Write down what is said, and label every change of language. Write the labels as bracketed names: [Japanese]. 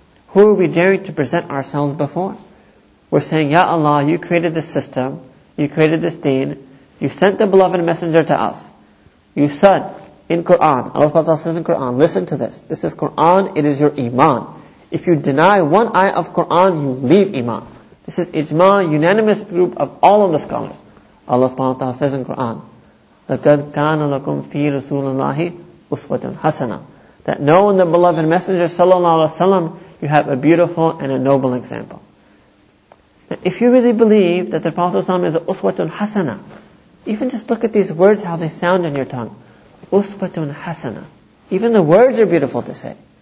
[English] Who are we daring to present ourselves before? We're saying, Ya Allah, you created this system, you created this deen, you sent the beloved messenger to us. You said in Quran, Allah says in Quran, listen to this. This is Quran, it is your iman. If you deny one ayah of Quran, you leave iman. This is ijma, unanimous group of all of the scholars. [Arabic] Allah subhanahu wa ta'ala [English] says in Quran, [Arabic] لَقَدْ كَانَ لَكُمْ فِي رَسُولَ اللَّهِ أُسْوَةٌ حَسَنًا. [English] That know in the beloved messenger sallallahu alaihi wasallam, you have a beautiful and a noble example. Now, if you really believe that the Prophet ﷺ is a uswatun hasana, even just look at these words, how they sound in your tongue. Uswatun hasana. Even the words are beautiful to say.